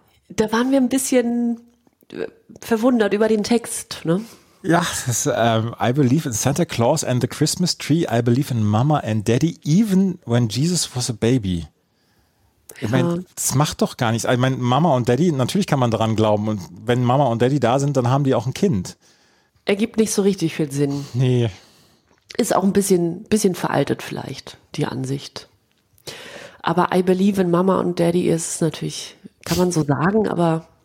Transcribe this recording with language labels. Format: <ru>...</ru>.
<de>Da waren wir ein bisschen verwundert über den Text, ne?</de> <en>Ja, das, I believe in Santa Claus and the Christmas tree. I believe in Mama and Daddy, even when Jesus was a baby.</en> <de>Ich meine, das macht doch gar nichts. Ich meine, Mama und Daddy, natürlich kann man daran glauben. Und wenn Mama und Daddy da sind, dann haben die auch ein Kind. Ergibt nicht so richtig viel Sinn. Nee. Ist auch ein bisschen veraltet vielleicht, die Ansicht. Aber</de> <en>I believe in</en> <de>Mama und Daddy ist natürlich, kann man so sagen, aber...</de>